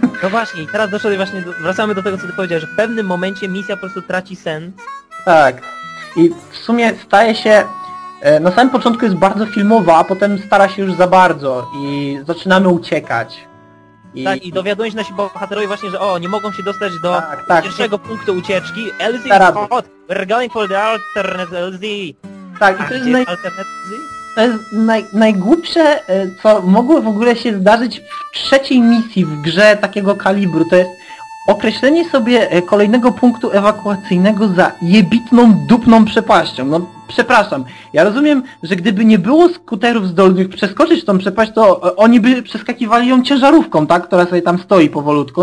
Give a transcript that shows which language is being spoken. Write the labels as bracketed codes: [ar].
[pl] No właśnie, i teraz doszedłem właśnie, wracamy do tego, co ty powiedziałeś, że w pewnym momencie misja po prostu traci sens. Tak. I w sumie staje się... Na samym początku jest bardzo filmowa, a potem stara się już za bardzo i zaczynamy uciekać. Tak, i dowiadują się nasi bohaterowie właśnie, że o, nie mogą się dostać do pierwszego punktu ucieczki. [en] LZ, hot! We're going for the alternate LZ! [pl] Tak, i to jest... To jest najgłupsze, co mogło w ogóle się zdarzyć w trzeciej misji w grze takiego kalibru, to jest określenie sobie kolejnego punktu ewakuacyjnego za jebitną, dupną przepaścią. No, przepraszam, ja rozumiem, że gdyby nie było skuterów zdolnych przeskoczyć tą przepaść, to oni by przeskakiwali ją ciężarówką, tak, która sobie tam stoi powolutku.